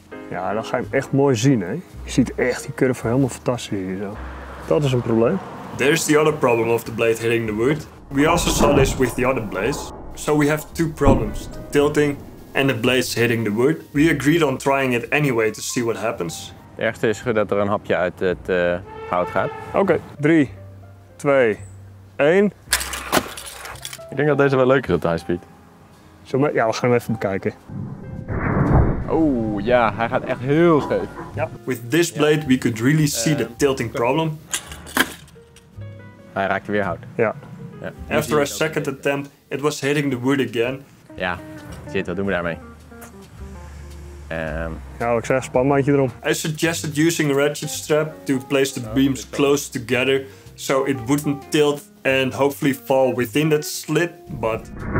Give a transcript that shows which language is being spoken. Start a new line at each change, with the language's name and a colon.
Dutch: Ja, dan ga je hem echt mooi zien, hè. Je ziet echt die curve helemaal fantastisch hier zo. Dat is een probleem.
English: There's the other problem of the blade hitting the wood. We also saw this with the other blades. So we have two problems, the tilting and the blades hitting the wood. We agreed on trying it anyway to see what happens.
Dutch: Het ergste is dat er een hapje uit het hout gaat. Oké, 3, 2, 1. Ik denk dat deze wel leuker is op de high speed. Zomaar? Ja, we gaan hem even bekijken. Oh ja, hij gaat echt heel scheef. Ja.
English: With this blade we could really see the tilting problem.
Dutch: Hij raakte weer hout. Ja.
English: After a second attempt, it was hitting the wood again.
Dutch: Ja, shit, wat doen we daarmee? Ja, ik zeg spanbandje erom.
English: I suggested using a ratchet strap to place the beams close together so it wouldn't tilt and hopefully fall within that slit, but...